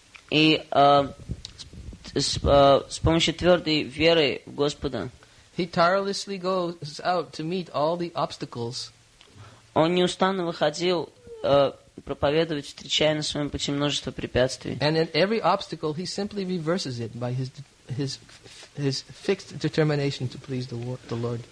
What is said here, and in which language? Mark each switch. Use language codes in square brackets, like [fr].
[ru] И с помощью твердой веры в Господа. [en] He tirelessly goes out to meet all the obstacles. [ru] Он неустанно выходил проповедовать, встречая на своем пути множество препятствий. [en] And in every obstacle, he simply reverses it by his his fixed determination to please the Lord.